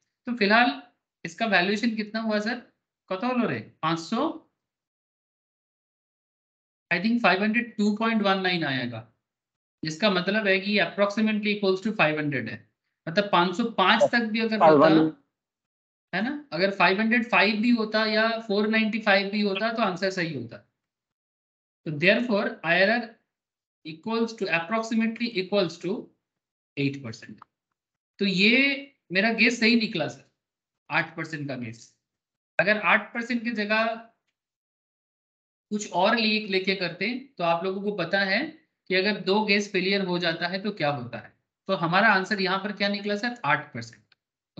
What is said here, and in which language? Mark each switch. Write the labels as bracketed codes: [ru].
[hi] तो फिलहाल इसका वैल्यूएशन कितना हुआ सर, कतौलो रे 500, आई थिंक 502.19 आएगा, जिसका मतलब है कि अप्रोक्सीमेटली इक्वल्स टू 500 है, मतलब 505 तक भी अगर होता है ना, अगर 505 भी होता या 495 भी होता तो आंसर सही होता। [en] तो therefore IRR equals to approximately equals to 8%. [hi] तो ये मेरा गेस सही निकला सर, 8% का गेस। अगर 8% की जगह कुछ और लेके करते तो आप लोगों को पता है कि अगर दो गेस फेलियर हो जाता है तो क्या होता है, तो हमारा आंसर यहाँ पर क्या निकला सर, 8%।